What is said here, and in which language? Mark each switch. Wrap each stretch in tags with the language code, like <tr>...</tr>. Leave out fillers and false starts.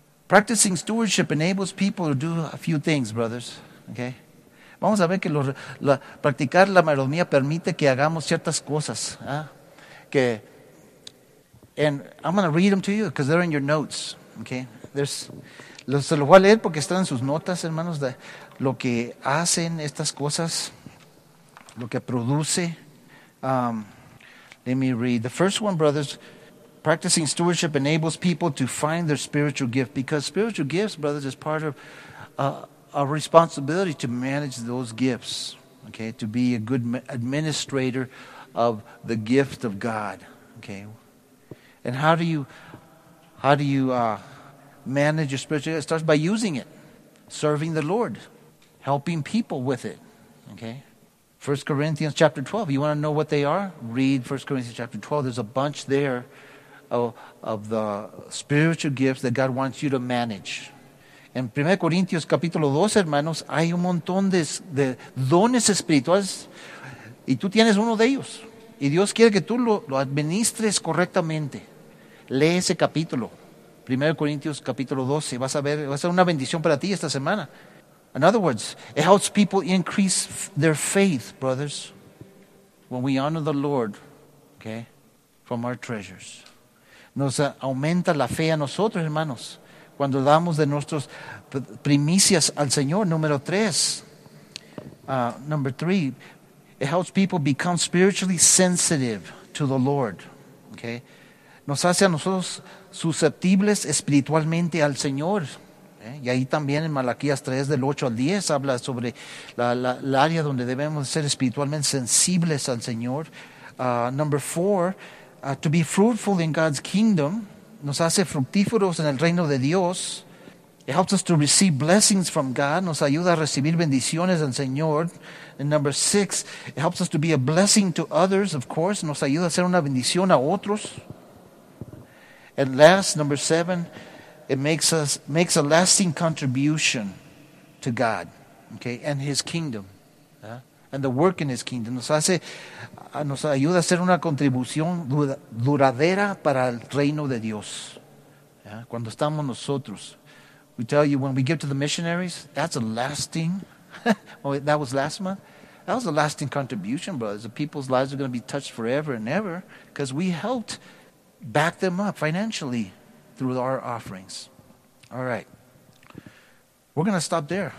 <en>Practicing stewardship enables people to do a few things, brothers. Okay.</en> <es>Vamos a ver que practicar la mayordomía permite que hagamos ciertas cosas.</es> <en>Que, and I'm going to read them to you because they're in your notes. Okay.</en> <es>Se los voy a leer porque están en sus notas, hermanos, de lo que hacen estas cosas, lo que produce.</es> <en>Let me read. The first one, brothers, practicing stewardship enables people to find their spiritual gift, because spiritual gifts, brothers, is part of a responsibility to manage those gifts, okay, to be a good administrator of the gift of God, okay. And how do you manage your spiritual gift? It starts by using it, serving the Lord, helping people with it, okay. 1 Corinthians chapter 12, you want to know what they are? Read 1 Corinthians chapter 12, there's a bunch there of the spiritual gifts that God wants you to manage.</en> <es>En 1 Corintios capítulo 12, hermanos, hay un montón de dones espirituales y tú tienes uno de ellos. Y Dios quiere que tú lo administres correctamente. Lee ese capítulo, 1 Corintios capítulo 12. Vas a ver, va a ser una bendición para ti esta semana.</es> <en>In other words, it helps people increase their faith, brothers, when we honor the Lord, okay, from our treasures.</en> <es>Nos aumenta la fe a nosotros, hermanos. Cuando damos de nuestras primicias al Señor, número tres.</es> <en>Number three, it helps people become spiritually sensitive to the Lord. Okay?</en> <es>Nos hace a nosotros susceptibles espiritualmente al Señor. Okay? Y ahí también en Malaquías 3, del 8 al 10, habla sobre el área donde debemos ser espiritualmente sensibles al Señor.</es> <en>Number four, to be fruitful in God's kingdom.</en> <es>Nos hace fructíferos en el reino de Dios.</es> <en>It helps us to receive blessings from God.</en> <es>Nos ayuda a recibir bendiciones del Señor.</es> <en>And number six, it helps us to be a blessing to others, of course.</en> <es>Nos ayuda a ser una bendición a otros.</es> <en>And last, number seven, it makes a lasting contribution to God, okay, and His kingdom, and the work in His kingdom.</en> <es>Nos ayuda a hacer una contribución duradera para el reino de Dios. Yeah? Cuando estamos nosotros.</es> <en>We tell you, when we give to the missionaries, that's a lasting, that was last month, that was a lasting contribution, brothers. The people's lives are going to be touched forever and ever because we helped back them up financially through our offerings. All right. We're going to stop there.</en>